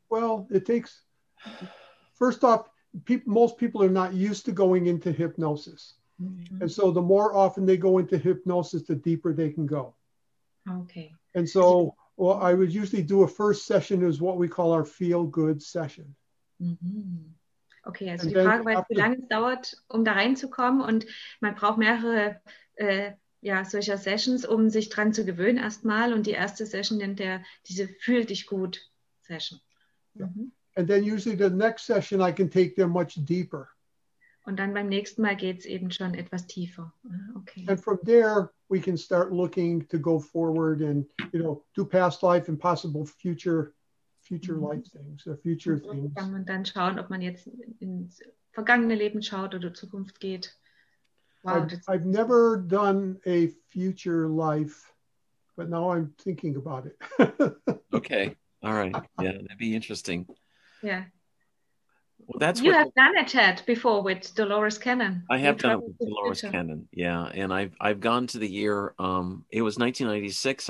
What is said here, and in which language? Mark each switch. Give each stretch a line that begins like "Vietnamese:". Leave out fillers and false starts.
English: Well, it takes, first off, most people are not used to going into hypnosis. Mm-hmm. And so the more often they go into hypnosis, the deeper they can go. Okay. And so, well, I would usually do a first session is what we call our feel-good session. Mm-hmm.
German: Okay, also and die Frage war, wie lange es dauert, um da reinzukommen, und man braucht mehrere solcher Sessions, um sich dran zu gewöhnen erstmal, und die erste Session nennt er diese Fühl-dich-gut-Session. Mm-hmm.
English: Yeah. And then usually the next session I can take them much deeper.
German: Und dann beim nächsten Mal geht es eben schon etwas tiefer.
English: Okay. And from there, we can start looking to go forward and, you know, do past life and possible future mm-hmm. life things, or future
German: und
English: things.
German: Kann man dann schauen, ob man jetzt ins vergangene Leben schaut oder Zukunft geht.
English: Wow, I've never done a future life, but now I'm thinking about it. Okay. All right. Yeah, that'd be interesting. Yeah. Well, that's you have done it, Ted, before with Dolores Cannon. I have done it with Dolores Cannon, yeah. And I've gone to the year, it was 1996.